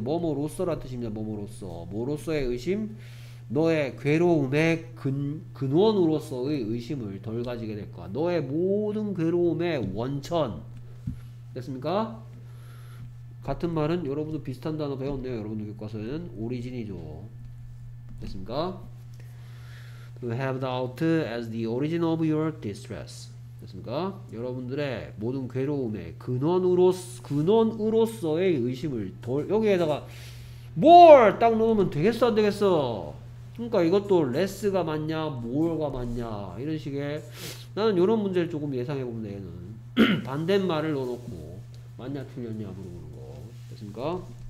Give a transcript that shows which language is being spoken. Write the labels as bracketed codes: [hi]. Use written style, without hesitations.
[ko] 뭐뭐로서란 뜻입니다. 뭐뭐로서. 뭐로서의 의심? 너의 괴로움의 근원으로서의 의심을 덜 가지게 될 거야. 너의 모든 괴로움의 원천. 됐습니까? 같은 말은 여러분도 비슷한 단어 배웠네요. 여러분들 교과서에는 오리진이죠. 됐습니까? [en] To have doubt as the origin of your distress. [ko] 됐습니까? 여러분들의 모든 괴로움의 근원으로서의 의심을 덜, 여기에다가 more 딱 넣으면 되겠어 안 되겠어? 그러니까 이것도 less가 맞냐 more가 맞냐 이런 식의 나는 이런 문제를 조금 예상해 보면 얘는 반대말을 넣어놓고 맞냐 틀렸냐 물어보는 거 됐습니까?